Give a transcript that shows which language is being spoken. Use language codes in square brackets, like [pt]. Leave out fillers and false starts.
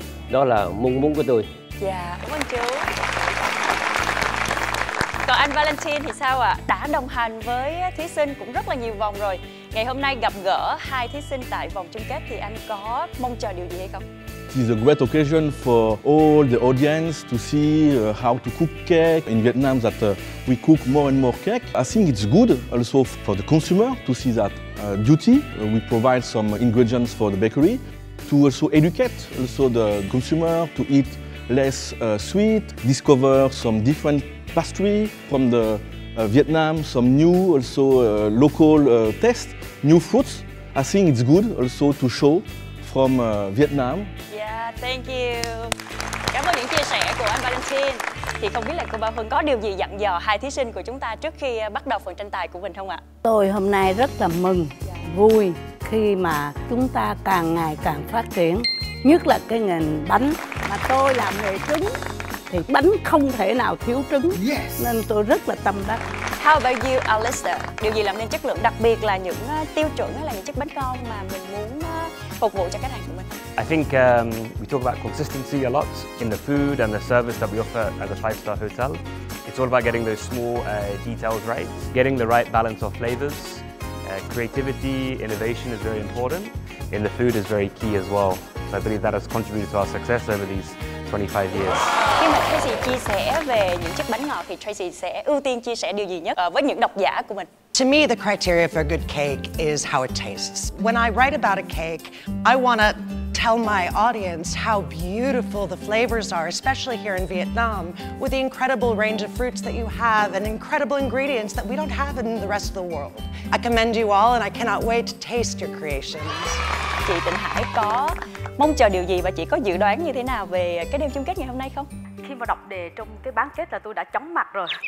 [vi] Đó là mong muốn của tôi. Dạ, cảm ơn chú. Còn anh Valentin thì sao ạ? Đã đồng hành với thí sinh cũng rất là nhiều vòng rồi. Ngày hôm nay gặp gỡ hai thí sinh tại vòng chung kết thì anh có mong chờ điều gì hay không? [en] It's a great occasion for all the audience to see how to cook cake in Vietnam, that we cook more and more cake. I think it's good also for the consumer to see that beauty. We provide some ingredients for the bakery to also educate also the consumer to eat less sweet, discover some different pastry from the Vietnam, some new also local taste, new fruits. I think it's good also to show from Vietnam. Yeah, thank you. [vi] cảm ơn những chia sẻ của anh Valentin. Thì không biết là cô Bảo Hưng có điều gì dặn dò hai thí sinh của chúng ta trước khi bắt đầu phần tranh tài của mình không ạ? Tôi hôm nay rất là mừng, vui khi mà chúng ta càng ngày càng phát triển, nhất là cái ngành bánh. Mà tôi làm nghề trứng thì bánh không thể nào thiếu trứng, nên tôi rất là tâm đắc. [en] How about you, Alistair? [vi] Điều gì làm nên chất lượng, đặc biệt là những tiêu chuẩn hay là những chiếc bánh con mà mình muốn phục vụ cho khách hàng của mình? [en] I think we talk about consistency a lot in the food and the service that we offer at a five-star hotel. It's all about getting those small details right, getting the right balance of flavors. Creativity, innovation is very important, and the food is very key as well. So I believe that has contributed to our success over these 25 years. [vi] Khi mà Tracy chia sẻ về những chiếc bánh ngọt thì Tracy sẽ ưu tiên chia sẻ điều gì nhất với những độc giả của mình? [en] To me, the criteria for a good cake is how it tastes. When I write about a cake, I want to tell my audience how beautiful the flavors are, especially here in Vietnam, with the incredible range of fruits that you have and incredible ingredients that we don't have in the rest of the world. I commend you all and I cannot wait to taste your creations. [vi] Chị Tịnh Hải có mong chờ điều gì và chị có dự đoán như thế nào về cái đêm chung kết ngày hôm nay không? Khi mà đọc đề trong cái bán kết là tôi đã chóng mặt rồi.